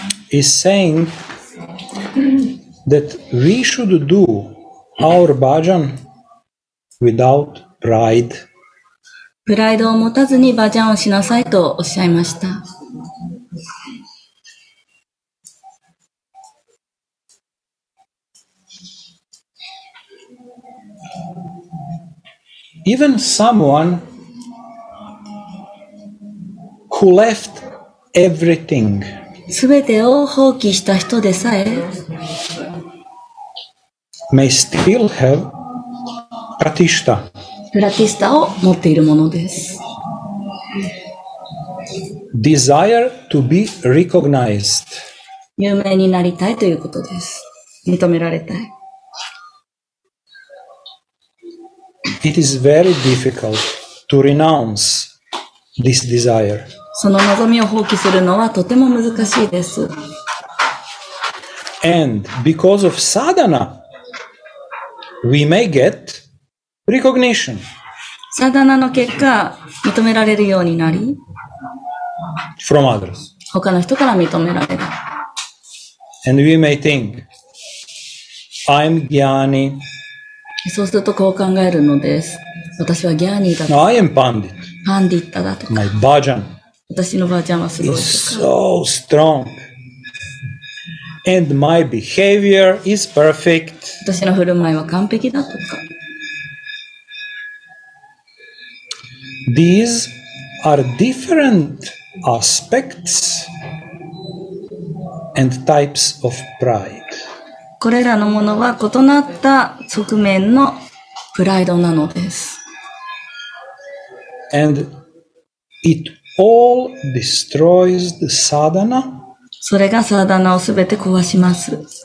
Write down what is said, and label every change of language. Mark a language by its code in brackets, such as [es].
[en] is saying that we should do our bhajan without pride. [ja] プライドを持たずにバジャンをしなさいとおっしゃいました。 [en] Even someone who left everything. [ja] すべてを放棄した人でさえ [en] may still have pratishtha. [ja] プラティスタを持っているものです。 [en] Desire to be recognized. [ja] 有名になりたいということです。認められたい。 [en] It is very difficult to renounce this desire. [ja] その望みを放棄するのはとても難しいです。 [en] And because of sadhana,We may get recognition. [ja] サダナの結果、認められるようになり、 [en] from others. [ja] 他の人から認められる。 [en] And we may think, I'm Gyani. [ja] そうするとこう考えるのです。私はギャーニーだと [en] か。I am Pandit. [ja] パンディッタだとか。 [en] My bhajan. [ja] 私のバージャンはすごいとか。 [en] It's so strong. And my behavior is perfect. [ja] 私の振る舞いは完璧だとか。 [en] These are different aspects and types of pride. [ja] これらのものは異なった側面のプライドなのです。 [en] And it all destroys the sadhana. [ja] それがサーダナをすべて壊します。